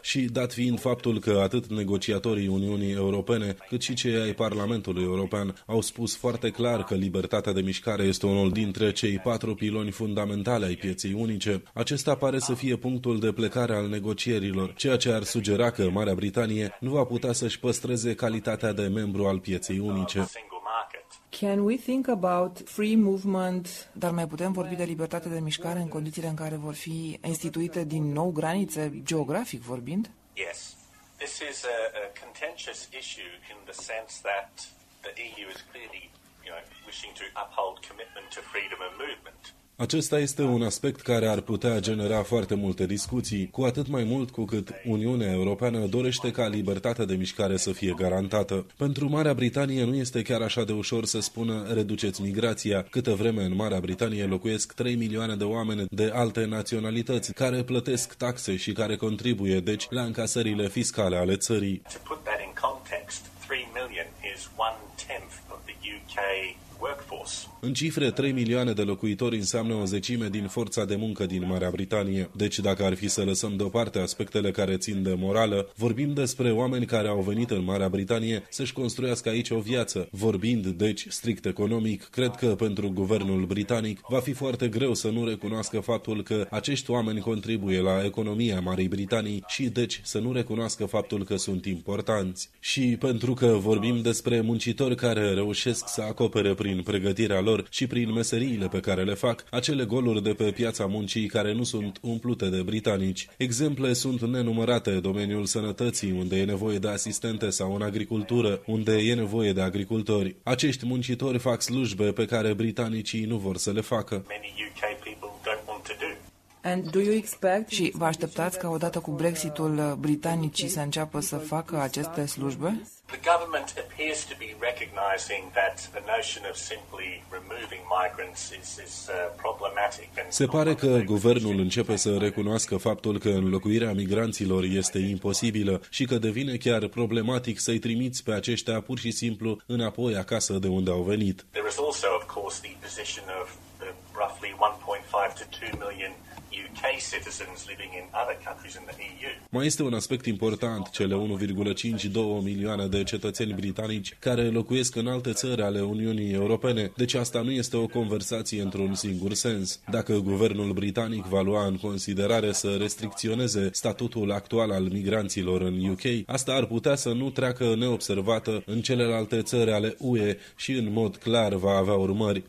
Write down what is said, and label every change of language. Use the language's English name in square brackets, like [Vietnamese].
[Romanian] Și dat fiind faptul că atât negociatorii Uniunii Europene, cât și cei ai Parlamentului European au spus foarte clar că libertatea de mișcare este unul dintre cei patru piloni fundamentale ai pieței unice, acesta pare să fie punctul de plecare al negocierilor, ceea ce ar sugera că Marea Britanie nu va putea să-și păstreze calitatea de membru al pieței unice. [English] Can we think about free movement? [Romanian] Dar mai putem vorbi de libertate de mișcare în condițiile în care vor fi instituite din nou granițe, geografic vorbind? [English] Yes. This is a contentious issue in the sense that the EU is clearly, you know, wishing to uphold commitment to freedom of movement. [Romanian] Acesta este un aspect care ar putea genera foarte multe discuții, cu atât mai mult cu cât Uniunea Europeană dorește ca libertatea de mișcare să fie garantată. Pentru Marea Britanie nu este chiar așa de ușor să spună reduceți migrația, câtă vreme în Marea Britanie locuiesc 3 milioane de oameni de alte naționalități care plătesc taxe și care contribuie, deci, la încasările fiscale ale țării. [English] To put that in context, 3 million is one-tenth of the UK workforce. [Romanian] În cifre, 3 milioane de locuitori înseamnă o zecime din forța de muncă din Marea Britanie. Deci, dacă ar fi să lăsăm deoparte aspectele care țin de morală, vorbim despre oameni care au venit în Marea Britanie să-și construiască aici o viață. Vorbind, deci, strict economic, cred că pentru guvernul britanic va fi foarte greu să nu recunoască faptul că acești oameni contribuie la economia Marii Britanii și, deci, să nu recunoască faptul că sunt importanți. Și pentru că vorbim despre muncitori care reușesc să acopere prin pregătirea lor și prin meseriile pe care le fac, acele goluri de pe piața muncii care nu sunt umplute de britanici. Exemple sunt nenumărate, domeniul sănătății, unde e nevoie de asistente, sau în agricultură, unde e nevoie de agricultori. Acești muncitori fac slujbe pe care britanicii nu vor să le facă. [English] Many UK people don't want to do. And do you expect? [Romanian] Și vă așteptați ca odată cu Brexitul britanicii să înceapă să facă aceste slujbe? [English] The government appears to be recognizing that the notion of simply removing migrants is problematic. [Romanian] Se pare că guvernul începe să recunoască faptul că înlocuirea migranților este imposibilă și că devine chiar problematic să-i trimiți pe aceștia pur și simplu înapoi acasă de unde au venit. [English] There is also of course the position of the roughly 1.5 to 2 million UK citizens living in other countries in the EU. [Romanian] Mai este un aspect important, cele 1,5-2 milioane de cetățeni britanici care locuiesc în alte țări ale Uniunii Europene, deci asta nu este o conversație într-un singur sens. Dacă guvernul britanic va lua în considerare să restricționeze statutul actual al migranților în UK, asta ar putea să nu treacă neobservată în celelalte țări ale UE și în mod clar va avea urmări.